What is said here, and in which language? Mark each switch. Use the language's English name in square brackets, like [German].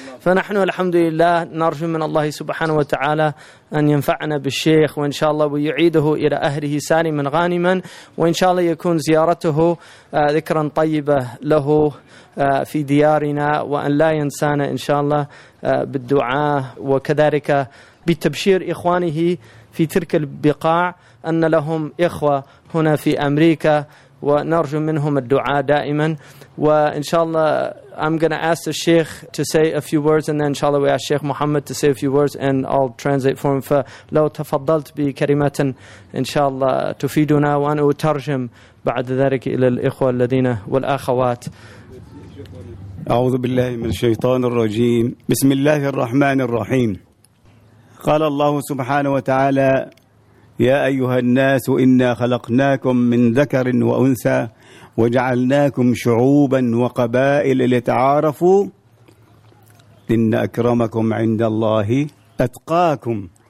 [Arabic] فنحن الحمد لله نرجو من الله سبحانه وتعالى أن ينفعنا بالشيخ وإن شاء الله ويعيده إلى أهله سالما غانما, وإن شاء الله يكون زيارته ذكرا طيبة له في ديارنا, وأن لا ينسانا إن شاء الله بالدعاء, وكذلك بتبشير إخوانه في تلك البقاع أن لهم إخوة هنا في أمريكا, ونرجو منهم الدعاء دائما. وإن شاء الله [English] I'm going to ask the Sheikh to say a few words, and then inshallah we ask Sheikh Muhammad to say a few words and I'll translate for him. [Arabic] فلو تفضلت بكلمة إن شاء الله تفيدنا وأنا أترجم بعد ذلك إلى الإخوة الذين والأخوات. أعوذ بالله من الشيطان الرجيم, بسم الله الرحمن الرحيم. قال الله سبحانه وتعالى, يا أيها الناس إنا خلقناكم من ذكر وأنثى وجعلناكم شعوبا وقبائل لتعارفوا إن أكرمكم عند الله أتقاكم.